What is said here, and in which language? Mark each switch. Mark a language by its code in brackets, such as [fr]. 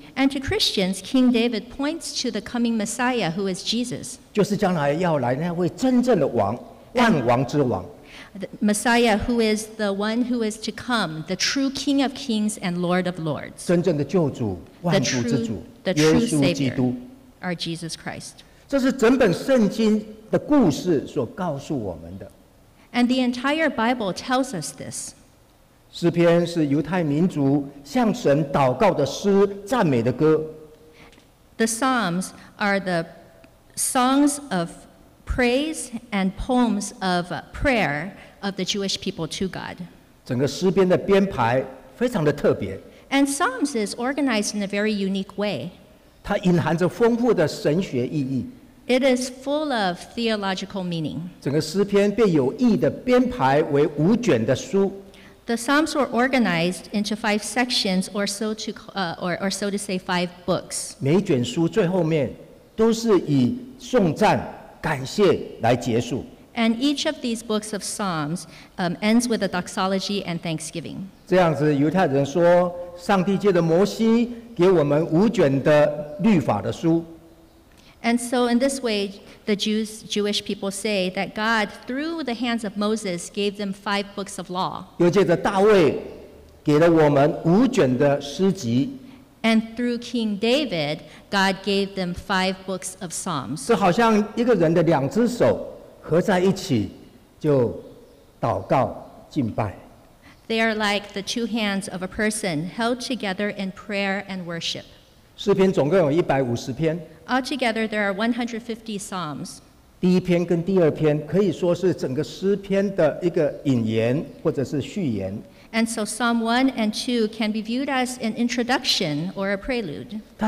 [en] And to Christians, King David points to the coming Messiah, who is Jesus. [zh] 就是将来要来那位真正的王，万王之王。 [en] The Messiah, who is the one who is to come, the true King of Kings and Lord of Lords. [zh] 真正的救主，万主之主，耶稣基督， [en] our Jesus Christ. [zh] 这是整本圣经的故事所告诉我们的。 [en] And the entire Bible tells us this. [zh] 诗篇是犹太民族向神祷告的诗，赞美的歌。 [en] The Psalms are the songs of praise and poems of prayer of the Jewish people to God. [zh] 整个诗篇的编排非常的特别。 [en] And Psalms is organized in a very unique way. [zh] 它隐含着丰富的神学意义。 [en] It is full of theological meaning. [zh] 整个诗篇被有意的编排为5卷的书。 [en] The Psalms were organized into 5 sections, or so to say, 5 books. [zh] 每一卷书最后面都是以颂赞、感谢来结束。 [en] And each of these books of Psalms ends with a doxology and thanksgiving. [zh] 这样子，犹太人说，上帝借着摩西给我们5卷的律法的书。 [en] And so in this way, the Jewish people say that God, through the hands of Moses, gave them five books of law. [zh] 又借着大卫给了我们五卷的诗集。 [en] And through King David, God gave them five books of Psalms. [zh] 这好像一个人的两只手合在一起就祷告敬拜。 [en] They are like the two hands of a person held together in prayer and worship. [zh] 诗篇总共有150篇。 [en] Altogether, there are 150 Psalms. [zh] 第一篇跟第二篇可以说是整个诗篇的一个引言或者是序言。 [en] And so Psalm 1 and 2 can be viewed as an introduction or a prelude.